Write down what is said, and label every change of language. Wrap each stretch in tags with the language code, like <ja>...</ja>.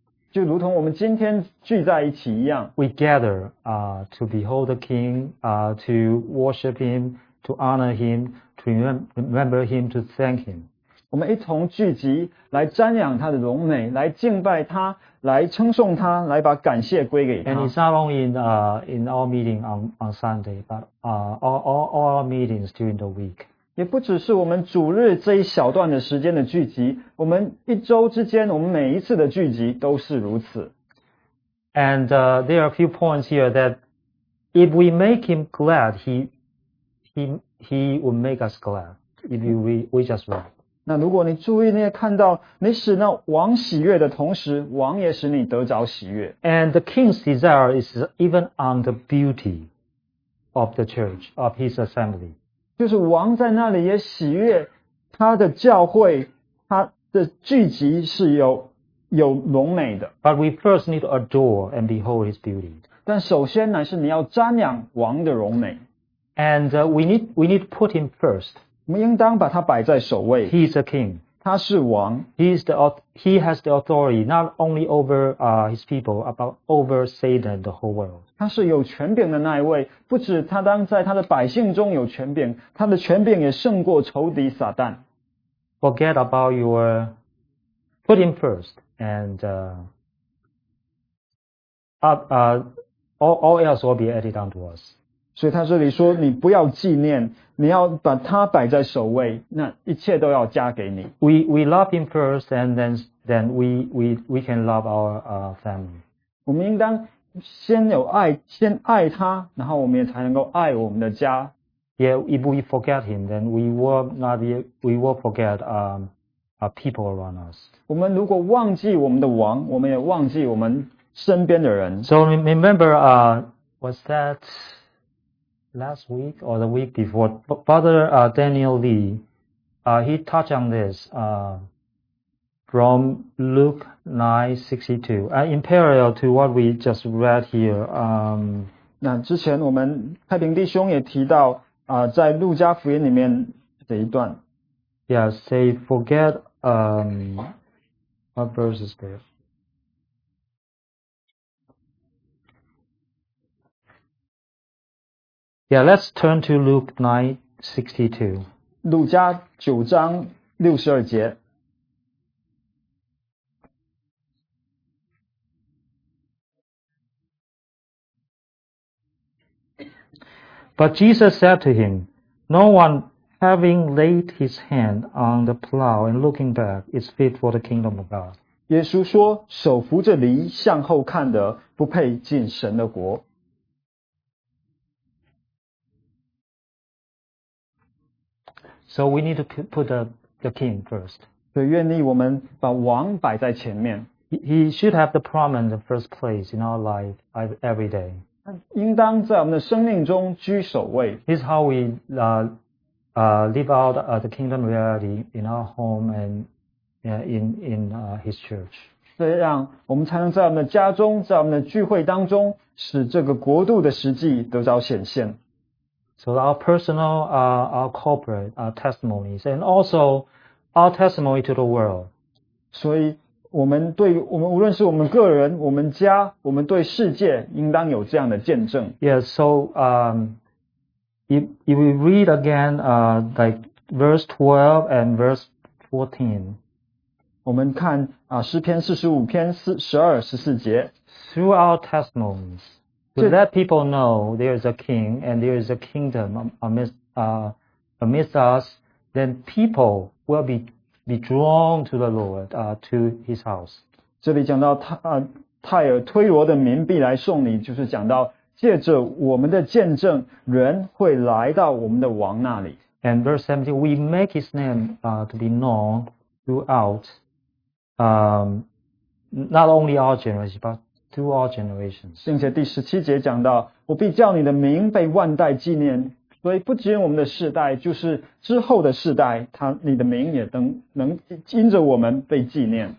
<zh>就如同我们今天聚在一起一样。</zh> <en>We gather, to behold the king, to worship him.To honor him, to remember him, to thank him.</en> <zh>我们一同聚集来瞻仰他的荣美，来敬拜他，来称颂他，来把感谢归给他。</zh> <en>And it's not only in our meeting on Sunday, but all our meetings during the week.</en> <zh>也不只是我们主日这一小段的时间的聚集，我们一周之间，我们每一次的聚集都是如此。</zh> <en>And there are a few points here that if we make him glad, he will make us glad. If we just will.</en> <zh>那如果你注意那些看到你使那王喜悦的同时，王也使你得着喜悦。</zh> <en>And the king's desire is even on the beauty of the church, of his assembly.</en> <zh>就是王在那里也喜悦他的教会，他的聚集是有荣美的。</zh> <en>But we first need to adore and behold his beauty.</en> <zh>但首先乃是你要瞻仰王的荣美。</zh> <en>And we need to put him first.</en> <zh>我们应当把他摆在首位。</zh> <en>He is a king.</en> <zh>他是王。</zh> <en>He has the authority not only over his people, but over Satan, the whole world.</en> <zh>他是有权柄的那一位，不止他当在他的百姓中有权柄，他的权柄也胜过仇敌撒旦。</zh> <en>Forget about your, put him first, and all else will be added unto us.</en> <zh>所以他这里说你不要纪念，你要把他摆在首位，那一切都要加给你。</zh> <en>We love him first and then we can love our family.</en> <zh>我们应当先有爱，先爱他，然后我们也才能够爱我们的家。</zh> <en>Yeah, if we forget him, then we will forget our people around us.</en> <zh>我们如果忘记我们的王，我们也忘记我们身边的人。</zh> <en>So remember, what's that? Last week or the week before, Father Daniel Lee, he touched on this from Luke 9:62, in parallel to what we just read here.</en> <zh>那之前我们太平弟兄也提到在路加福音里面这一段。</zh> <en>Yeah, say forget, what verse is there? Yeah, let's turn to Luke 9:62.</en> <zh>路加九章六十二节。</zh> <en>But Jesus said to him, No one having laid his hand on the plow and looking back is fit for the kingdom of God.</en> <zh>耶稣说，手扶着犁向后看的不配进神的国。</zh> <en>So we need to put the king first.</en> <zh>所以愿意我们把王摆在前面。</zh> <en>He should have the prominent first place in our life every day.</en> <zh>应当在我们的生命中居首位。</zh> <en>This is how we live out the kingdom reality in our home and his church.</en> <zh>这样我们才能在我们的家中，在我们的聚会当中，使这个国度的实际得到显现。</zh> <en>So our personal, our corporate, our testimonies, and also our testimony to the world.</en> <zh>所以我们对我们无论是我们个人、我们家、我们对世界，应当有这样的见证。</zh> <en>Yes, so if we read again, like verse 12 and verse 14,</en> <zh>我们看诗篇四十五篇四十二十四节</zh> <en>through our testimonies. To let people know there is a king and there is a kingdom amidst us, then people will be drawn to the Lord, to his house.</en> <zh>这里讲到泰尔推罗的民必来送你，就是讲到借着我们的见证，人会来到我们的王那里。</zh> <en>And verse 17, we make his name, to be known throughout, not only our generation, butTo all generations.</en> <zh>并且第十七节讲到，我必叫你的名被万代纪念，所以不仅我们的世代，就是之后的世代，他你的名也能因着我们被纪念。</zh>